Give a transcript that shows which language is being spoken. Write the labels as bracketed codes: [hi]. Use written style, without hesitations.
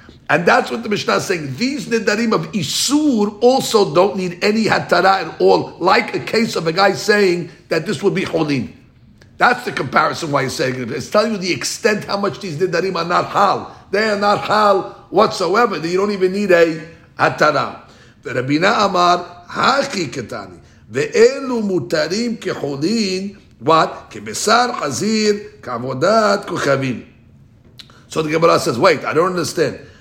[en] And that's what the Mishnah is saying. These nedarim of Isur also don't need any hatara at all, like a case of a guy saying that this would be cholin. That's the comparison why he's saying it. It's telling you the extent how much these nedarim are not hal. They are not hal whatsoever. You don't even need a hatara. [arc] V'Rabina amar, haki ketani. [he] ואלו מותרים כחולין, [en] what? [he] כבשר חזיר, כעבודת כוכבים. [en] So the Gemara says, wait, I don't understand.